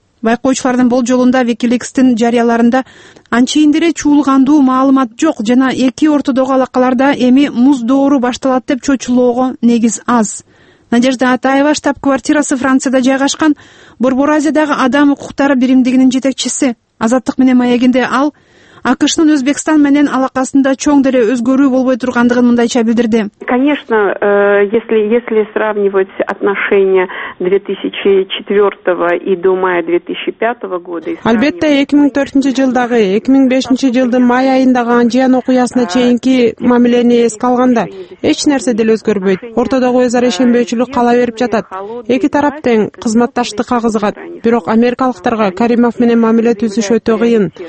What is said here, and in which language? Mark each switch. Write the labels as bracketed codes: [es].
[ky] Байкоочулардын болжолунда WikiLeaks'тин жарыяларында анчейин деле чуулгандуу маалымат жок жана эки ортодогу алакаларда эми муз доору башталат деп чочулоого негиз аз. Надежда Атаева штаб-квартирасы Францияда жайгашкан борбор азиядагы адам укуктары биримдигинин жетекчиси. Азаттык менен маегинде ал АКШ-тын Өзбекстан менен алакасында чоң дере өзгөрүү болбой тургандыгын мындайча билдирди. [ru] Конечно, если сравнивать отношения 2004 и до мая 2005 года. [ky] Албетте 2004 жылдагы 2005 жылдын май айындагы Анжиян окуясына чейинки мамилени эске алганда эч нерсе деле өзгөрбөйт. Ортодогу өз ара ишенбөөчүлүк кала берип жатат. Эки тарап тең кызматташтык агызгат. Бирок америкалыктарга Каримов менен мамиле түзүш өтө кыйын.